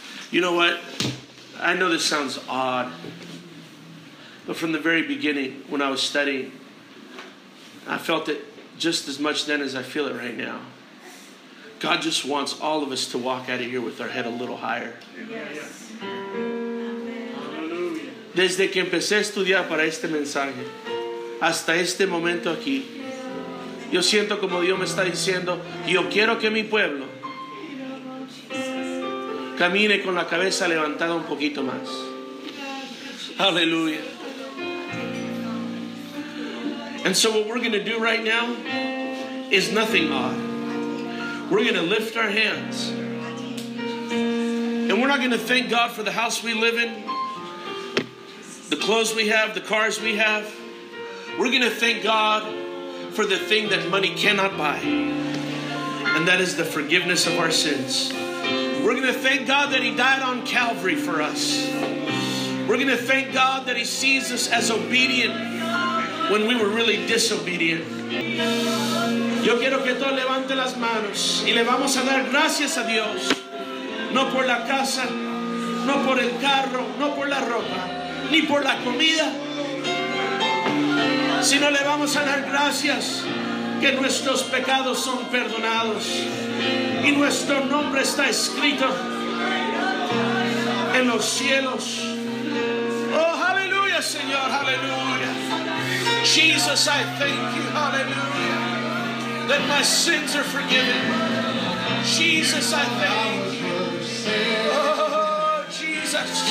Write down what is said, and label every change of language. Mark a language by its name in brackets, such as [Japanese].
[English] You know what? I know this sounds odd, but from the very beginning, when I was studying, I felt it just as much then as I feel it right now. God just wants all of us to walk out of here with our head a little higher. Yes. Amen. Hallelujah. [Spanish] Desde que empecé a estudiar para este mensaje, hasta este momento aquí, yo siento como Dios me está diciendo, yo quiero que mi pueblo camine con la cabeza levantada un poquito más. Hallelujah. [English] And so what we're going to do right now is nothing odd. We're going to lift our hands. And we're not going to thank God for the house we live in, the clothes we have, the cars we have. We're going to thank God for the thing that money cannot buy, and that is the forgiveness of our sins. We're going to thank God that He died on Calvary for us. We're going to thank God that He sees us as obedient when we were really disobedient. [Spanish] Yo quiero que todos levanten las manos y le vamos a dar gracias a Dios, no por la casa, no por el carro, no por la ropa, ni por la comida, sino le vamos a dar gracias que nuestros pecados son perdonados y nuestro nombre está escrito en los cielos. Oh, aleluya, Señor, aleluya. [English] Jesus, I thank you, hallelujah, that my sins are forgiven. Jesus, I thank you. Oh, Jesus.